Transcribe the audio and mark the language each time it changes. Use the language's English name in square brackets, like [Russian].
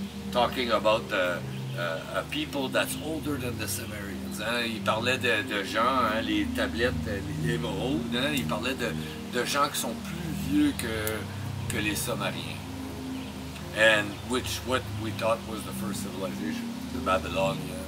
[English] Talking about a people that's older than the Sumerians. [French] Ils parlaient de gens, les tablettes, les émeraudes. Ils parlaient de gens qui sont plus vieux que les Sumériens. [English] And which what we thought was the first civilization, the Babylonians.